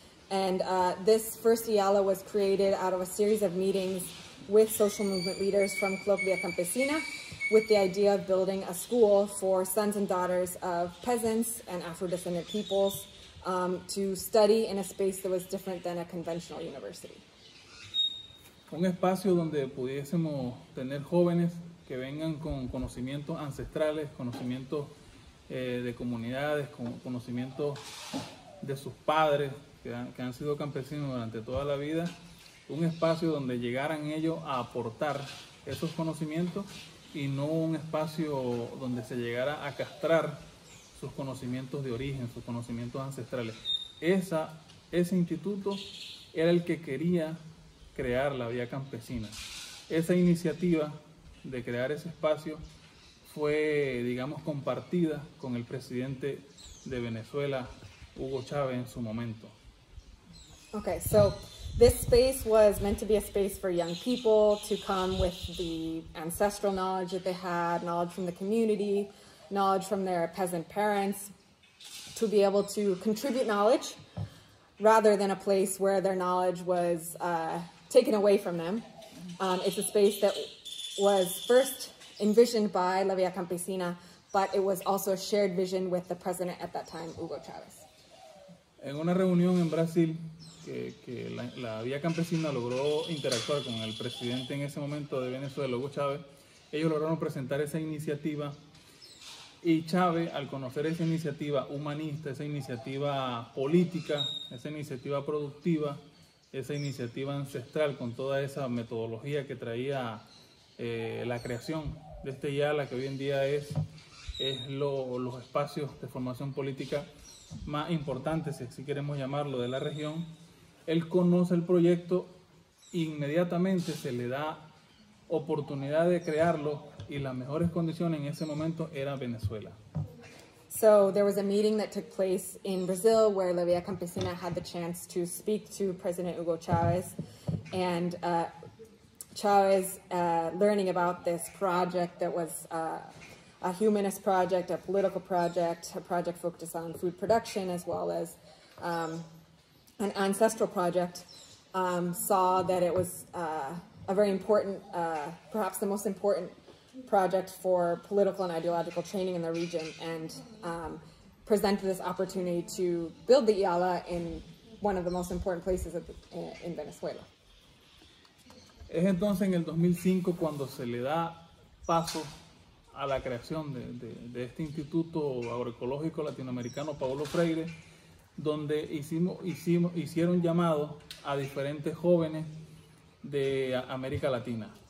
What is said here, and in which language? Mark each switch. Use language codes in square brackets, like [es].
[en] And this first IALA was created out of a series of meetings with social movement leaders from Club Via Campesina, with the idea of building a school for sons and daughters of peasants and Afro-descended peoples to study in a space that was different than a conventional university. [es] Un espacio donde pudiésemos tener jóvenes que vengan con conocimientos ancestrales, conocimientos de comunidades, con conocimientos de sus padres que han sido campesinos durante toda la vida. Un espacio donde llegaran ellos a aportar esos conocimientos y no un espacio donde se llegara a castrar sus conocimientos de origen, sus conocimientos ancestrales. Ese instituto era el que quería crear la Vía Campesina. Esa iniciativa de crear ese espacio fue, digamos, compartida con el presidente de Venezuela, Hugo Chávez, en su momento. [en] Okay, so this space was meant to be a space for young people to come with the ancestral knowledge that they had, knowledge from the community, knowledge from their peasant parents, to be able to contribute knowledge rather than a place where their knowledge was taken away from them. It's a space that was first envisioned by La Vía Campesina, but it was also a shared vision with the president at that time, Hugo Chávez. [es] En una reunión en Brasil, que la Vía Campesina logró interactuar con el presidente en ese momento de Venezuela, Hugo Chávez, ellos lograron presentar esa iniciativa y Chávez, al conocer esa iniciativa humanista, esa iniciativa política, esa iniciativa productiva, esa iniciativa ancestral con toda esa metodología que traía la creación de este IALA, que hoy en día es los espacios de formación política más importantes, si queremos llamarlo, de la región. Él conoce el proyecto, inmediatamente se le da oportunidad de crearlo y las mejores condiciones en ese momento era Venezuela. [en] So there was a meeting that took place in Brazil where La Vía Campesina had the chance to speak to President Hugo Chávez, and Chávez, learning about this project that was a humanist project, a political project, a project focused on food production as well as an ancestral project, saw that it was a very important, perhaps the most important project for political and ideological training in the region, and presented this opportunity to build the IALA in one of the most important places in Venezuela. [es] Es entonces en el 2005 cuando se le da paso a la creación de este Instituto Agroecológico Latinoamericano Paulo Freire, donde hicieron llamado a diferentes jóvenes de América Latina.